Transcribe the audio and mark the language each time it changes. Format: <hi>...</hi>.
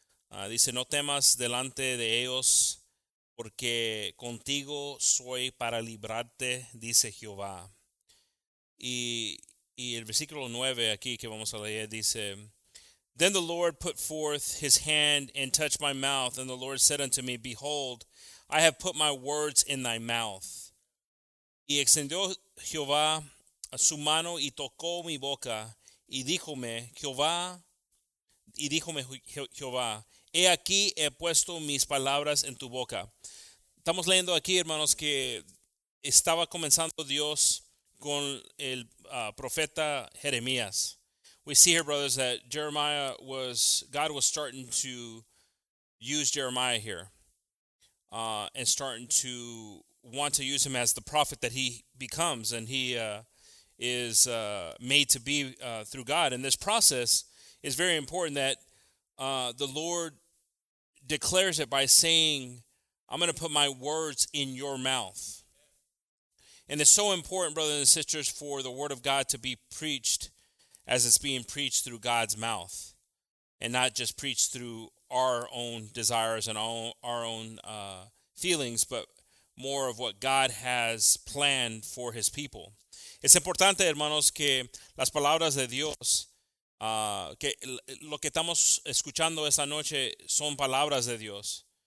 <es>Dice, "No temas delante de ellos, porque contigo soy para librarte, dice Jehová." Y el versículo 9 aquí que vamos a leer dice,</es> <en>"Then the Lord put forth his hand and touched my mouth, and the Lord said unto me, Behold, I have put my words in thy mouth.</en> <es>Y extendió Jehová a su mano y tocó mi boca, y díjome Jehová, he aquí he puesto mis palabras en tu boca." Estamos leyendo aquí, hermanos, que estaba comenzando Dios con el profeta Jeremías.</es> <en>We see here, brothers, that God was starting to use Jeremiah here and starting to want to use him as the prophet that he becomes and he is made to be through God. And this process is very important that the Lord declares it by saying, "I'm going to put my words in your mouth." And it's so important, brothers and sisters, for the word of God to be preached as it's being preached through God's mouth and not just preached through our own desires and our own feelings, but more of what God has planned for his people.</en> <es>Es importante, hermanos, que las palabras de Dios, que lo que estamos escuchando esta noche son palabras de Dios.</es>